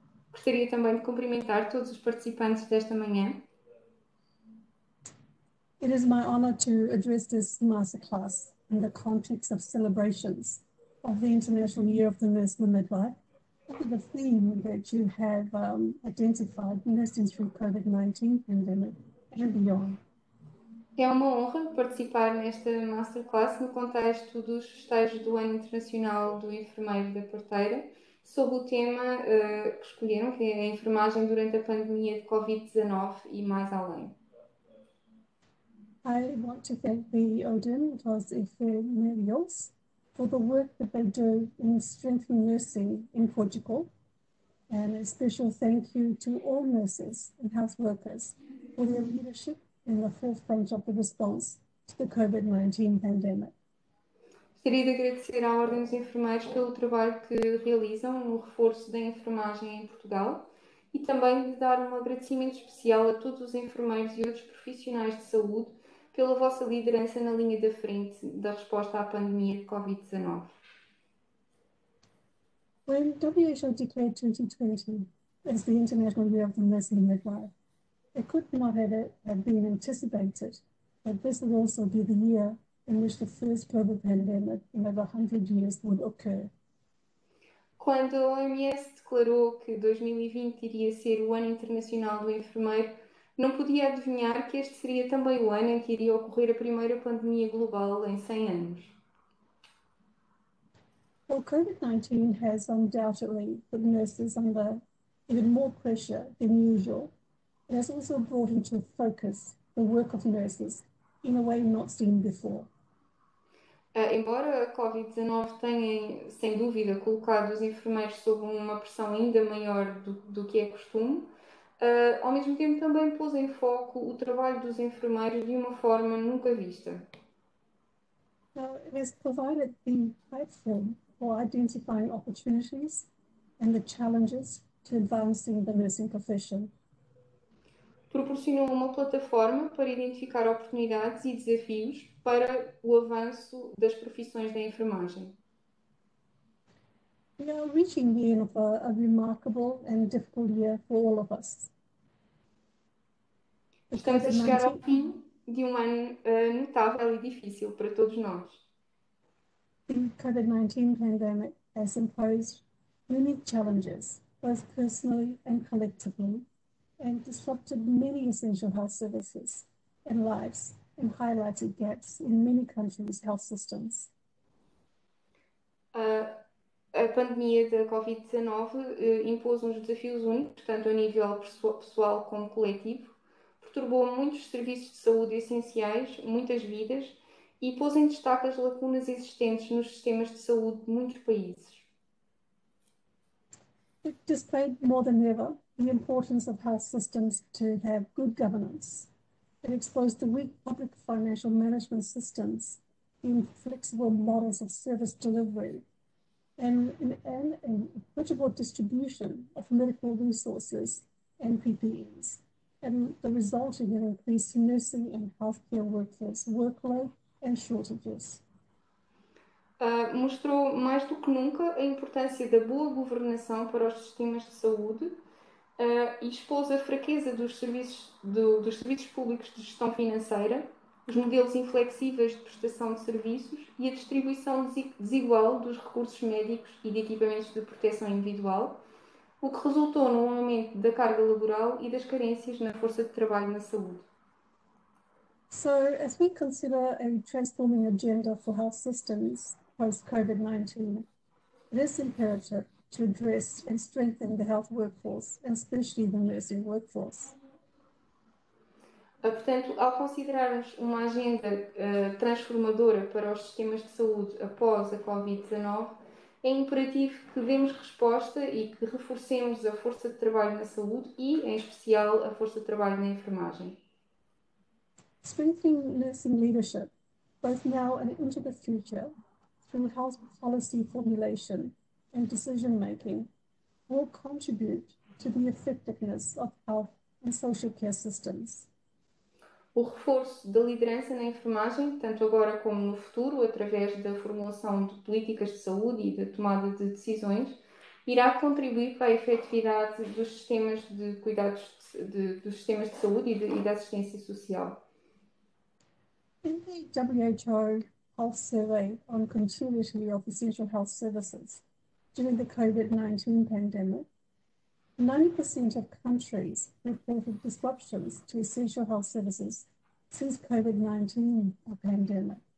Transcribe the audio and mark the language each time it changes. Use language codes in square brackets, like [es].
[pt] Gostaria também de cumprimentar todos os participantes desta manhã. [en] It is my honor to address this masterclass in the context of celebrations of the International Year of the Nurse and the Midwife. The theme that you have identified, nursing through COVID-19 pandemic and beyond. [pt] É uma honra participar nesta masterclass no contexto dos festejos do Ano Internacional do Enfermeiro e da Porteira, sob o tema que escolheram, que é a enfermagem durante a pandemia de COVID-19 e mais além. [en] I want to thank the ODIN, it was Ephemerials, for the work that they do in strengthening nursing in Portugal. And a special thank you to all nurses and health workers for their leadership in the forefront of the response to the COVID-19 pandemic. [pt] Gostaria de agradecer à Ordem dos Enfermeiros pelo trabalho que realizam no reforço da enfermagem em Portugal e também de dar um agradecimento especial a todos os enfermeiros e outros profissionais de saúde pela vossa liderança na linha da frente da resposta à pandemia de COVID-19. [en] When WHO declared 2020 as the International Year of the Nursing Midwife, it could not have been anticipated that this would also be the year in which the first global pandemic in over 100 years would occur. [pt] Quando a OMS declarou que 2020 iria ser o Ano Internacional do Enfermeiro, não podia adivinhar que este seria também o ano em que iria ocorrer a primeira pandemia global em 100 anos. [en] Well, COVID-19 has undoubtedly put nurses under even more pressure than usual. It has also brought into focus the work of nurses in a way not seen before. [pt] Embora a COVID-19 tenha, sem dúvida, colocado os enfermeiros sob uma pressão ainda maior do que é costume, ao mesmo tempo também pôs em foco o trabalho dos enfermeiros de uma forma nunca vista. [en] Now, it has provided the platform for identifying opportunities and the challenges to advancing the nursing profession. [pt] Proporcionou uma plataforma para identificar oportunidades e desafios para o avanço das profissões da enfermagem. [en] We are reaching the end of a remarkable and difficult year for all of us. [pt] Estamos a chegar ao fim de um ano notável e difícil para todos nós. [en] The COVID-19 pandemic has imposed unique challenges, both personally and collectively, and disrupted many essential health services and lives, and highlighted gaps in many countries' health systems. [pt] A pandemia da COVID-19 impôs uns desafios únicos, tanto a nível pessoal como coletivo. Perturbou muitos serviços de saúde essenciais, muitas vidas, e pôs em destaque as lacunas existentes nos sistemas de saúde de muitos países. [en] It displayed more than ever the importance of health systems to have good governance. It exposed the weak public financial management systems, inflexible models of service delivery, and equitable distribution of medical resources and PPEs, and the resulting in increased nursing and healthcare workforce workload and shortages. [pt] Mostrou mais do que nunca a importância da boa governação para os sistemas de saúde e expôs a fraqueza dos serviços públicos de gestão financeira, os modelos inflexíveis de prestação de serviços e a distribuição desigual dos recursos médicos e de equipamentos de proteção individual, o que resultou num aumento da carga laboral e das carências na força de trabalho na saúde. [en] So, as we consider a transforming agenda for health systems post-COVID-19, it is imperative to address and strengthen the health workforce, especially the nursing workforce. [pt] Portanto, ao considerarmos uma agenda transformadora para os sistemas de saúde após a Covid-19, é imperativo que demos resposta e que reforcemos a força de trabalho na saúde e, em especial, a força de trabalho na enfermagem. [en] Strengthening nursing leadership, both now and into the future, through health policy formulation and decision making, will contribute to the effectiveness of health and social care systems. [pt] O reforço da liderança na enfermagem, tanto agora como no futuro, através da formulação de políticas de saúde e da tomada de decisões, irá contribuir para a efetividade dos sistemas de cuidados dos sistemas de saúde e da assistência social. [en] In the WHO Health Survey on Continuity of Essential Health Services during the COVID-19 pandemic, 90% of countries reported disruptions to essential health services since COVID-19 or pandemic.